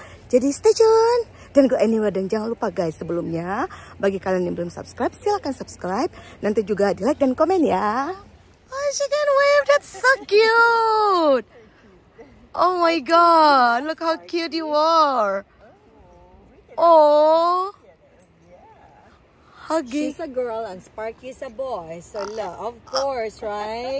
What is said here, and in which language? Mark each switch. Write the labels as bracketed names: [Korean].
[English] Jadi stay tune, don't go anywhere. [Indonesian] Dan jangan lupa guys, sebelumnya, bagi kalian yang belum subscribe, silahkan subscribe. Nanti juga di like dan komen ya. [English] Oh, she can wave, that's so cute. Oh my god, look how cute you are. Oh. Huggy. She's a girl and Sparky is a boy, so look, of course, right?